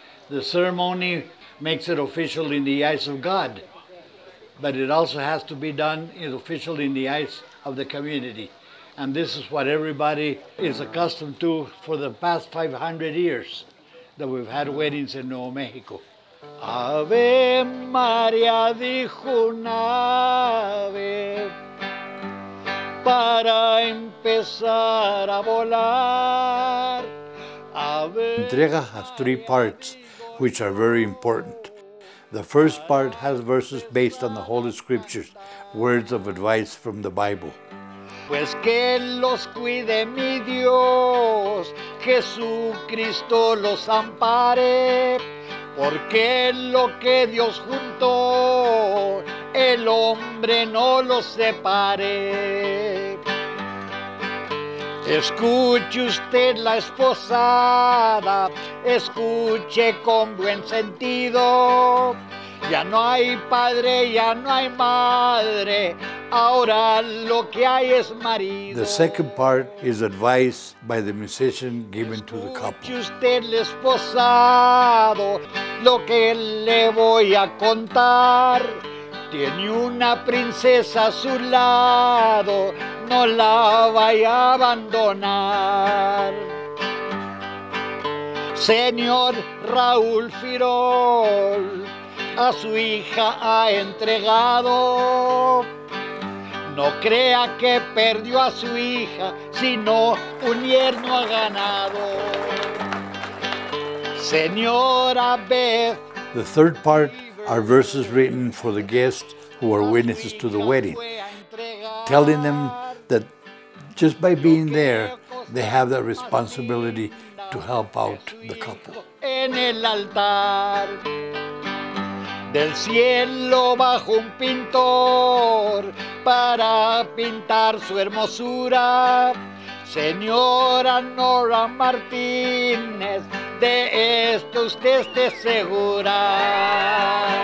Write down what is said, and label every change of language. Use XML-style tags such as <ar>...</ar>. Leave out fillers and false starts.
<en>The ceremony makes it official in the eyes of God, but it also has to be done official in the eyes of the community. And this is what everybody is accustomed to for the past 500 years that we've had weddings in Nuevo Mexico.</en> <es>Ave Maria dijo una ave para empezar a volar.</es> <en>Entrega has three parts which are very important. The first part has verses based on the Holy Scriptures, words of advice from the Bible.</en> <es>Pues que los cuide mi Dios, Jesucristo los ampare, porque lo que Dios juntó, el hombre no los separe. Escuche usted la esposada, escuche con buen sentido. Ya no hay padre, ya no hay madre, ahora lo que hay es marido.</es> <en>The second part is advice by the musician given to the couple.</en> <es>Escuche usted el esposado, lo que le voy a contar. Tiene una princesa a su lado, no la vaya a abandonar. Señor Raúl Firol, a su hija ha entregado. No crea que perdió a su hija, sino un yerno ha ganado. Señora Beth.</es> <en>The third part are verses written for the guests who are witnesses to the wedding, telling them that just by being there, they have that responsibility to help out the couple.</en> <es>En el altar del cielo bajo un pintor para pintar su hermosura, señora Nora Martínez. De esto usted esté segura.</es>